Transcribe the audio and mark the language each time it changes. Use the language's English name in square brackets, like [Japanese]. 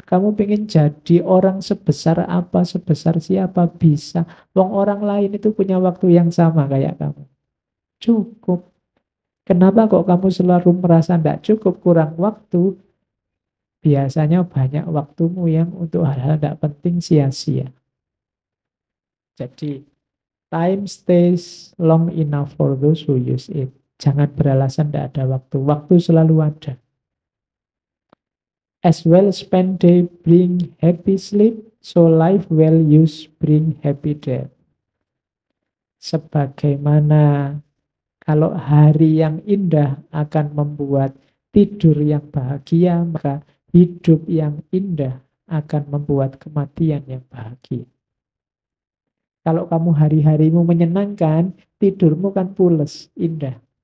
[Indonesian] Kamu ingin jadi orang sebesar apa, sebesar siapa, bisa. Wong orang lain itu punya waktu yang sama kayak kamu. Cukup. Kenapa kok kamu selalu merasa tidak cukup, kurang waktu? Biasanya banyak waktumu yang untuk hal-hal tidak penting sia-sia. [English] Jadi, time stays long enough for those who use it. [Indonesian] Jangan beralasan tidak ada waktu. Waktu selalu ada. [English] As well spend day bring happy sleep, so life well use bring happy death. [Indonesian] Sebagaimana kalau hari yang indah akan membuat tidur yang bahagia, maka hidup yang indah akan membuat kematian yang bahagia. Kalau kamu hari-harimu menyenangkan, tidurmu kan pulas, indah.